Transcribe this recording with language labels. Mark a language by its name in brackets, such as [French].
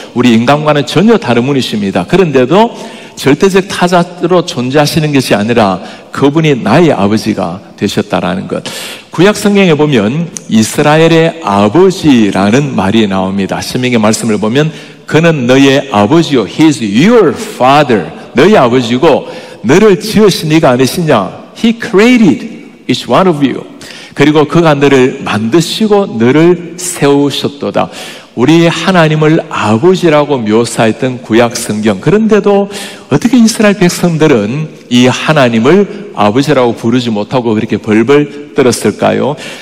[Korean] 우리 인간과는 전혀 다른 분이십니다. 그런데도 절대적 타자로 존재하시는 것이 아니라 그분이 나의 아버지가 되셨다라는 것. 구약 성경에 보면 이스라엘의 아버지라는 말이 나옵니다. 신명의 말씀을 보면 그는 너의 아버지요. [English] He is your father. [Korean] 너의 아버지고 너를 지으신 이가 아니시냐. [English] He created each one of you. [Korean] 그리고 그가 너를 만드시고 너를 세우셨도다. 우리의 하나님을 아버지라고 묘사했던 구약 성경. 그런데도 어떻게 이스라엘 백성들은 이 하나님을 아버지라고 부르지 못하고 그렇게 벌벌 떨었을까요?